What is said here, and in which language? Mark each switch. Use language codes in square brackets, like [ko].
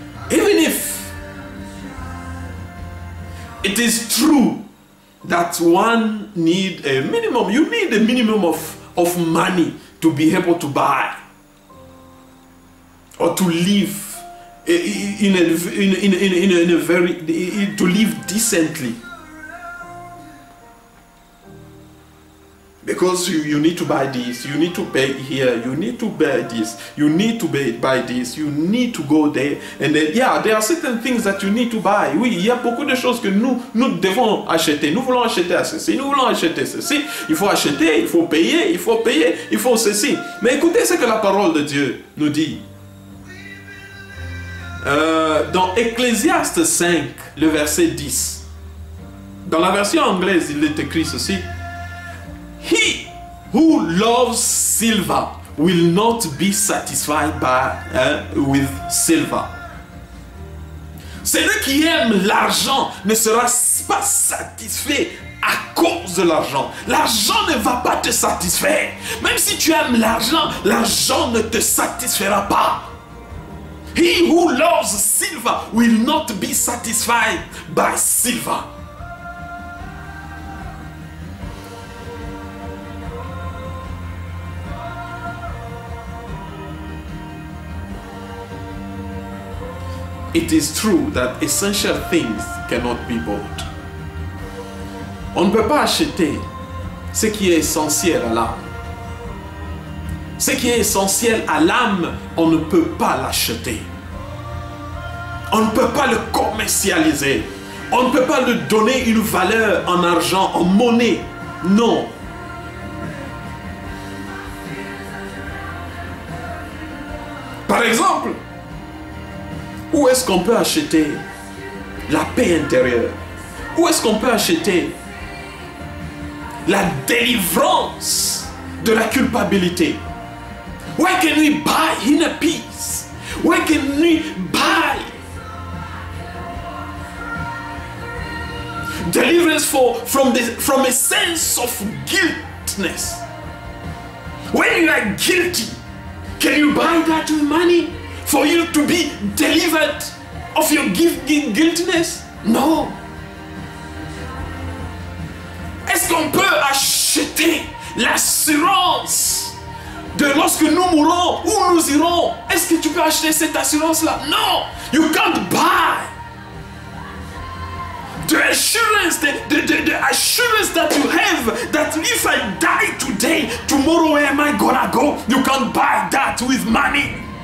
[en] Even if it is true that one need a minimum, you need a minimum of money to be able to buy or to live in a very to live decently, because you need to buy this, you need to pay here, you need to buy this, you need to buy this, you need to go there, and then yeah, there are certain things that you need to buy. [fr] Oui, il y a beaucoup de choses que nous devons acheter. Nous voulons acheter ceci, nous voulons acheter ceci. Il faut acheter, il faut payer, il faut payer, il faut ceci. Mais écoutez ce que la parole de Dieu nous dit. Dans Ecclésiaste 5, le verset 10. Dans la version anglaise, il est écrit ceci. [en] He who loves silver will not be satisfied with silver. [fr] Celui qui aime l'argent ne sera pas satisfait à cause de l'argent. L'argent ne va pas te satisfaire. Même si tu aimes l'argent, l'argent ne te satisfera pas. [en] He who loves silver will not be satisfied by silver. It is true that essential things cannot be bought. [fr] On ne peut pas acheter ce qui est essentiel à l'âme. Ce qui est essentiel à l'âme, on ne peut pas l'acheter. On ne peut pas le commercialiser. On ne peut pas lui donner une valeur en argent, en monnaie. Non. Par exemple, où est-ce qu'on peut acheter la paix intérieure? Où est-ce qu'on peut acheter la délivrance de la culpabilité? [en] Where can we buy inner peace? Where can we buy deliverance from a sense of guiltness? When you are guilty, can you buy that with money for you to be delivered of your guiltiness? No. [fr] Est-ce qu'on peut acheter l'assurance de lorsque nous mourrons, où nous irons? Est-ce que tu peux acheter cette assurance-là? [en] Non, you can't buy the assurance that you have that if I die today, tomorrow where am I gonna go? You can't buy that with money.